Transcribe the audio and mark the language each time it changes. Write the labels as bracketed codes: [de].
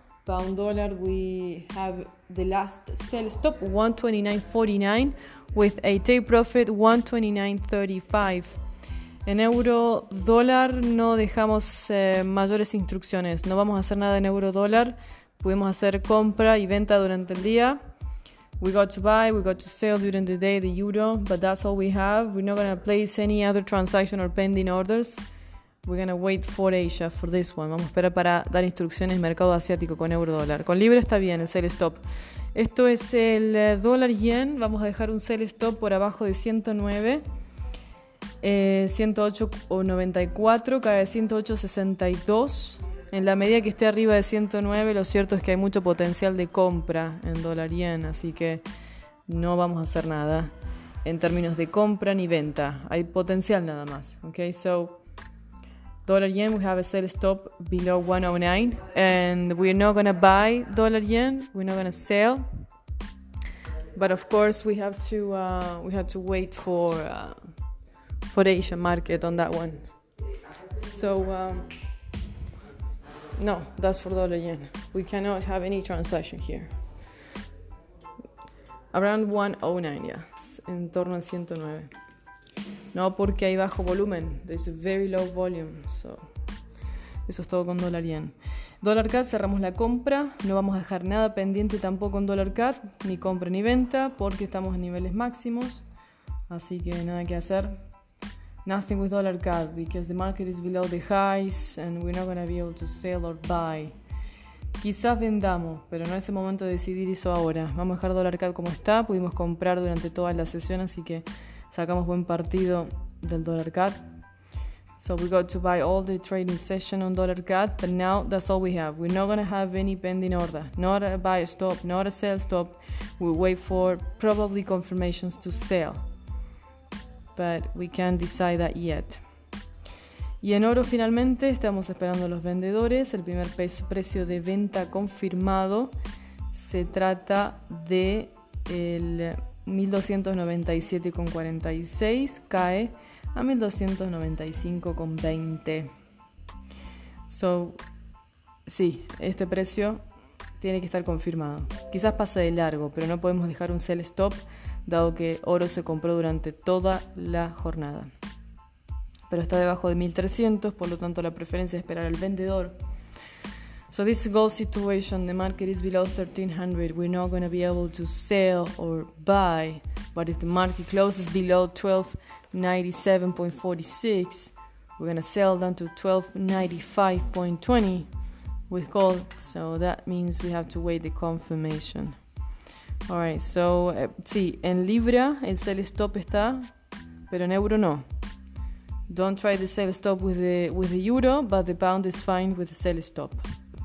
[en] Pound dollar, we have the last sell stop 1.2949 with a take profit 1.2935. [es] En euro dólar no dejamos mayores instrucciones, no vamos a hacer nada en euro dólar. Pudimos hacer compra y venta durante el día. [en] We got to buy, we got to sell during the day the euro, but that's all we have. We're not gonna place any other transaction or pending orders. We're gonna wait for Asia for this one. [es] Vamos a esperar para dar instrucciones mercado asiático con euro dólar. Con libra está bien, el sell stop. Esto es el dólar yen. Vamos a dejar un sell stop por abajo de 109. 108.94, cae 108.62. En la medida que esté arriba de 109, lo cierto es que hay mucho potencial de compra en dólar yen, así que no vamos a hacer nada en términos de compra ni venta. Hay potencial nada más. [en] Okay, so dólar yen, we have a sell stop below 109, and we're not gonna buy dólar yen, we're not gonna sell, but of course we have to wait for Asia market on that one. So no, that's for dollar yen. We cannot have any transaction here. Around 109, yes. [es] En torno al 109. No, porque hay bajo volumen. [en] There's a very low volume. So, [es] eso es todo con dólar yen. Dólar CAD, cerramos la compra. No vamos a dejar nada pendiente tampoco en dólar CAD, ni compra ni venta, porque estamos en niveles máximos. Así que nada que hacer. [en] Nothing with dollar CAD because the market is below the highs and we're not going to be able to sell or buy. [es] Quizás vendamos, pero no es el momento de decidir eso ahora. Vamos a dejar dólar CAD como está. Pudimos comprar durante toda la sesión, así que sacamos buen partido del dólar CAD. [en] So we got to buy all the trading session on dollar CAD, but now that's all we have. We're not going to have any pending order. Not a buy stop, not a sell stop. We wait for probably confirmations to sell. But we can't decide that yet. [es] Y en oro finalmente estamos esperando a los vendedores. El primer precio de venta confirmado se trata de el 1.297.46, cae a 1.295.20. So, sí, este precio tiene que estar confirmado. Quizás pase de largo, pero no podemos dejar un sell stop, dado que oro se compró durante toda la jornada. Pero está debajo de 1.300, por lo tanto la preferencia es esperar al vendedor. [en] So this gold situation, the market is below 1300. We're not going to be able to sell or buy. But if the market closes below 1297.46, we're going to sell down to 1295.20 with gold. So that means we have to wait the confirmation. [es] All right, so sí, en libra el sell stop está, pero en euro no. [en] Don't try the sell stop with the euro, but the pound is fine with the sell stop.